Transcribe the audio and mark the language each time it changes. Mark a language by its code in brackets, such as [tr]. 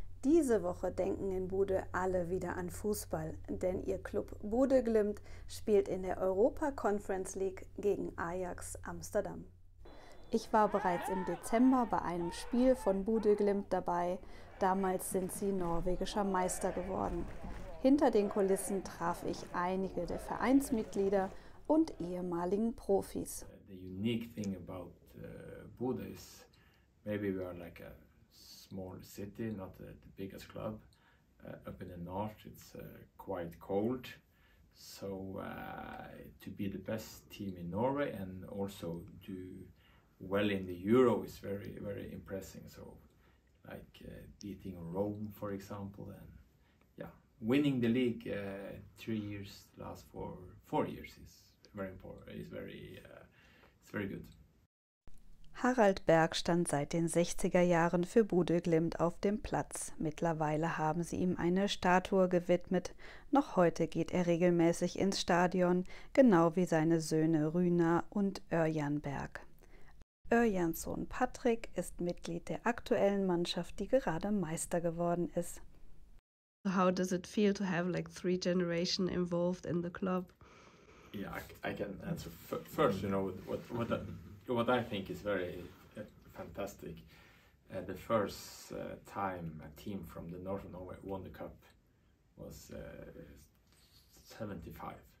[de] Diese Woche denken in Bodø alle wieder an Fußball, denn ihr Club Bodø Glimt spielt in der Europa Conference League gegen Ajax Amsterdam. Ich war bereits im Dezember bei einem Spiel von Bodø Glimt dabei. Damals sind sie norwegischer Meister geworden. Hinter den Kulissen traf ich einige der Vereinsmitglieder und ehemaligen Profis. [en] The unique thing about Bodø is maybe we are like a small city, not the biggest club. Up in the north it's quite cold. So to be the best team in Norway and also do well in the Euro is very, very impressive. So like beating Rome, for example, and yeah, winning the league 3 years, last four years is very important, is very, it's very good. [de] Harald Berg stand seit den 60er Jahren für Bodø Glimt auf dem Platz. Mittlerweile haben sie ihm eine Statue gewidmet. Noch heute geht er regelmäßig ins Stadion, genau wie seine Söhne Runar und Ørjan Berg. Ørjans Sohn Patrick ist Mitglied der aktuellen Mannschaft, die gerade Meister geworden ist. [en] How does it feel to have like three generations involved in the club? Yeah, I can answer first. You know what I think is very fantastic. The first time a team from the north of Norway won the cup was 75.